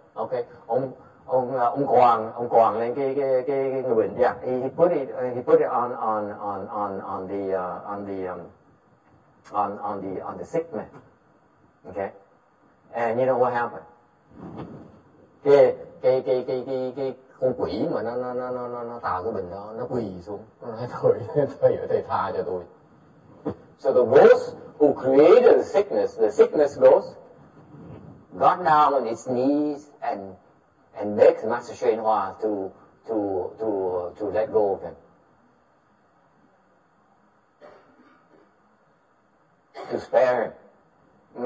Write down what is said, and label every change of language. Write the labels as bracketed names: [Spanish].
[Vietnamese] Okay, ông quàng lên cái người bệnh. [English] Yeah, he put it on the sick man. Okay, and you know what happened? [Vietnamese] Cái con quỷ mà nó tạo cái bệnh đó, nó quỳ xuống, nó nói thôi thầy tha cho tôi. [English] So the ghost who created the sickness ghost, got down on its knees and begged Master Xuyên Hoa to let go of him, to spare him.